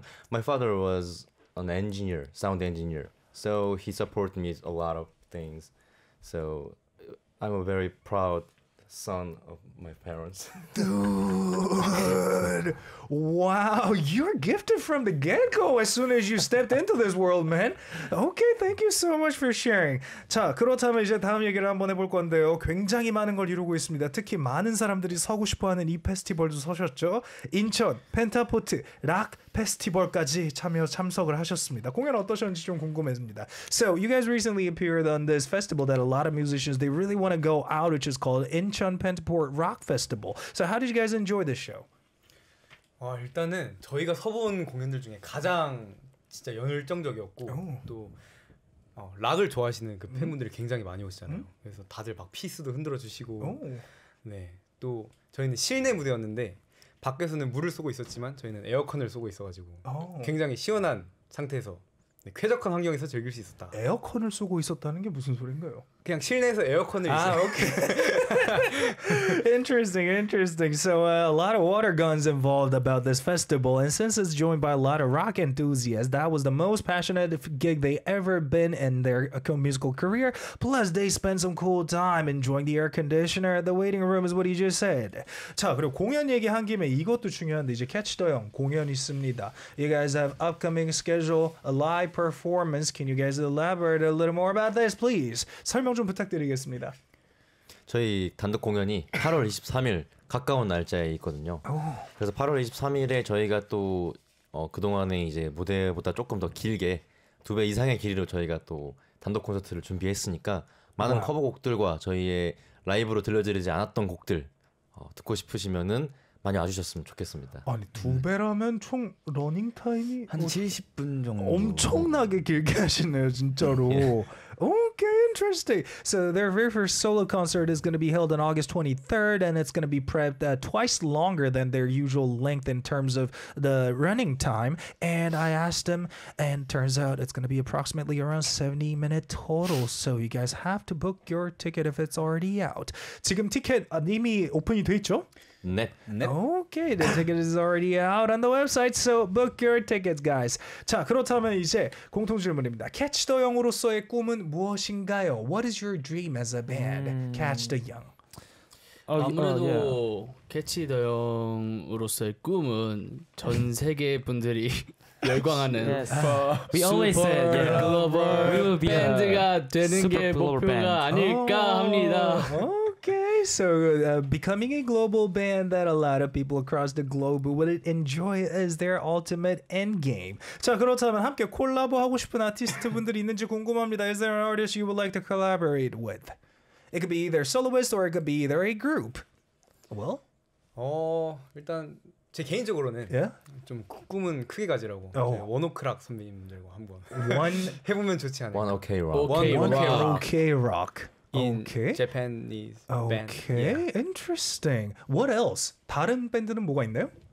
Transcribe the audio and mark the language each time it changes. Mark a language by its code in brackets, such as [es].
[en] My father was an engineer, sound engineer. So he supported me a lot of things. So I'm a very proud son of my parents. Dude! Wow, you're gifted from the get-go as soon as you stepped into this world, man. Okay, thank you so much for sharing. [ko] 자, 그렇다면 이제 다음 얘기를 한번 해볼 건데요. 굉장히 많은 걸 이루고 있습니다. 특히 많은 사람들이 서고 싶어하는 이 페스티벌도 서셨죠. 인천, 펜타포트, 락 페스티벌까지 참석을 하셨습니다. 공연 어떠셨는지 좀 궁금해집니다. [en] So, you guys recently appeared on this festival that a lot of musicians, they really want to go out, which is called Incheon Pentaport Rock Festival. So, how did you guys enjoy this show? [ko] 일단은 저희가 서본 공연들 중에 가장 진짜 열정적이었고 또 락을 좋아하시는 그 팬분들이 굉장히 많이 오시잖아요. 그래서 다들 막 피스도 흔들어 주시고 네. 또 저희는 실내 무대였는데 밖에서는 물을 쏘고 있었지만 저희는 에어컨을 쏘고 있어가지고 굉장히 시원한 상태에서 네, 쾌적한 환경에서 즐길 수 있었다. 에어컨을 쓰고 있었다는 게 무슨 소린가요? 그냥 실내에서 에어컨을 아, 있어요. 오케이. [en] Interesting, interesting. So a lot of water guns involved about this festival, and since it's joined by a lot of rock enthusiasts, that was the most passionate gig they ever been in their musical career. Plus, they spent some cool time enjoying the air conditioner at the waiting room, is what he just said. [ko] 자, 그리고 공연 얘기한 김에 이것도 중요한데 이제 캐치더 형 공연 있습니다. [en] You guys have upcoming schedule, a live performance. Can you guys elaborate a little more about this, please? [ko] 설명 좀 부탁드리겠습니다. 저희 단독 공연이 8월 23일 가까운 날짜에 있거든요. 그래서 8월 23일에 저희가 또 그동안에 이제 무대보다 조금 더 길게 두 배 이상의 길이로 저희가 또 단독 콘서트를 준비했으니까 많은 와. 커버곡들과 저희의 라이브로 들려드리지 않았던 곡들 듣고 싶으시면은 많이 와주셨으면 좋겠습니다. 아니 두 배라면 총 러닝 타임이 한 70분 정도. 엄청나게 길게 하시네요, 진짜로. [en] Okay, interesting. So their very first solo concert is going to be held on August 23rd, and it's going to be prepped twice longer than their usual length in terms of the running time. And I asked them, and turns out it's going to be approximately around 70 minutes total. So you guys have to book your ticket if it's already out. [ko] 지금 티켓 이미 오픈이 돼 있죠? 네. 네. [en] Okay, the ticket is already out on the website, so book your tickets, guys. [ko] 자, 그렇다면 이제 공통 질문입니다. Catch the Young으로서의 꿈은 무엇인가요? [en] What is your dream as a band? Catch the Young. [ko] 아무래도 Catch the Young으로서의 꿈은 전 세계 분들이 열광하는 [en] yes. We always said yeah. Global band [ko] 되는 게 목표가 아닐까 합니다. [en] Okay, so becoming a global band that a lot of people across the globe would enjoy as their ultimate end game. [ko] 자, 그렇다면 함께 콜라보하고 싶은 아티스트 분들이 있는지 궁금합니다. [en] Is there an artist you would like to collaborate with? It could be either soloist or it could be either a group. Well? [ko] 일단 제 개인적으로는 [en] yeah? [ko] 좀 꿈은 크게 가지라고 원오크락 선배님들과 한번 해보면 좋지 않을까. 원오케이 록. 원오케이 록. [en] In okay. Japanese okay. band. Okay, yeah. Interesting. What else? [ko] 다른 밴드는 뭐가 있나요?